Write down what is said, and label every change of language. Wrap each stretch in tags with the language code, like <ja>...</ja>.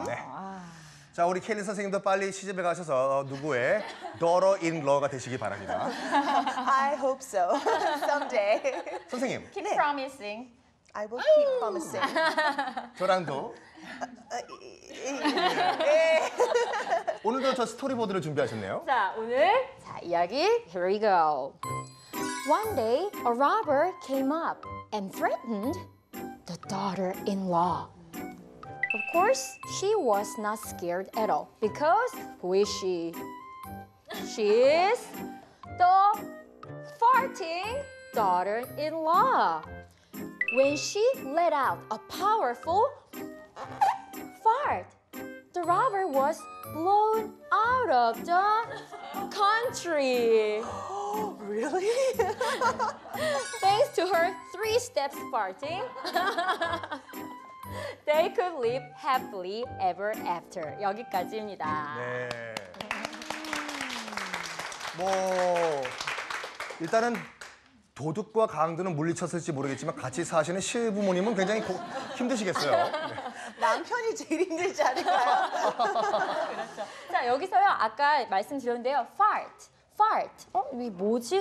<ko>네. 자, 우리 켈린 선생님도 빨리 시집에 가셔서 누구의 daughter-in-law가 되시기 바랍니다.</ko> <en>I hope so. Someday.</en> <ko>선생님.</ko> <en>Keep</en> <ko>네.</ko> <en>promising. I will keep promising.</en> <ko>저랑도. 오늘도 저 스토리보드를 준비하셨네요. 자, 오늘 자 이야기</ko> <en>here we go. One day, a robber came up and threatened the daughter-in-law. Of course, she was not scared at all because who is she? She is the farting daughter-in-law. when she let out a powerful fart. The robber was blown out of the country. Really? Thanks to her three steps farting, they could live happily ever after.</en> <ko>여기까지입니다. 네. 뭐 일단은 도둑과 강도는 물리쳤을지 모르겠지만 같이 사시는 시부모님은 굉장히 힘드시겠어요. 남편이 제일 힘들지 않을까요? 그렇죠. 자, 여기서요. 아까 말씀드렸는데요. Fart. Fart. 어? 이게 뭐지?</ko>